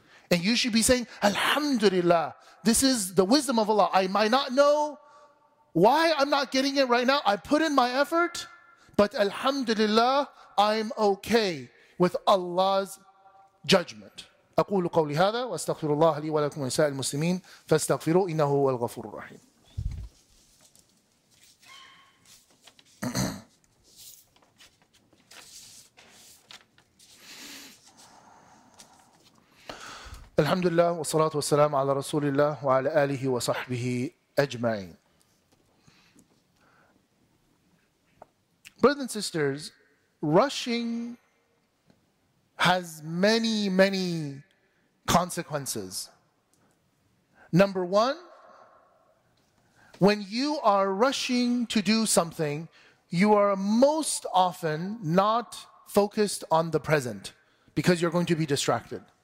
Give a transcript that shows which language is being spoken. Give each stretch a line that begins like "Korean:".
English: And you should be saying, alhamdulillah, this is the wisdom of Allah. I might not know why I'm not getting it right now. I put in my effort, but alhamdulillah, I'm okay with Allah's judgment.
Arabic: أقول قولي هذا واستغفر الله لي ولكم ولسائر المسلمين فاستغفروا إنه هو الغفور الرحيم. الحمد لله والصلاة والسلام على رسول الله وعلى آله وصحبه أجمعين.
English: Brothers and sisters, rushing has many, many consequences. Number one, when you are rushing to do something, you are most often not focused on the present because you're going to be distracted.